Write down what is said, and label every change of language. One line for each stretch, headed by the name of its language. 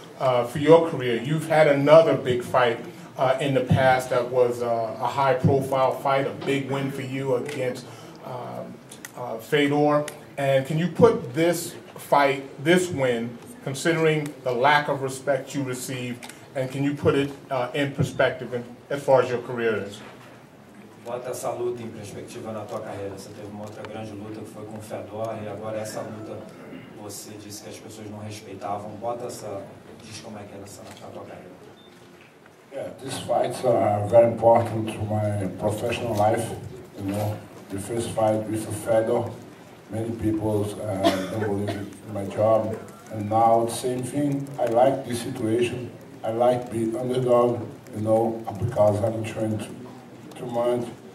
English: For your career, you've had another big fight in the past that was a high-profile fight, a big win for you against Fedor. And can you put this fight, this win, considering the lack of respect you received, and can you put it in perspective as far as your career is?
Portuguese: bota essa luta em perspectiva na tua carreira. Você teve uma outra grande luta que foi com o Fedor, e agora essa luta, você disse que as pessoas não respeitavam. Bota essa, diz como é que era essa na tua carreira.
English: Yeah, these fights are very important to my professional life, you know. The first fight with Fedor, many people don't believe in my job. And now the same thing, I like this situation. I like being underdog, you know, because I'm trained too much.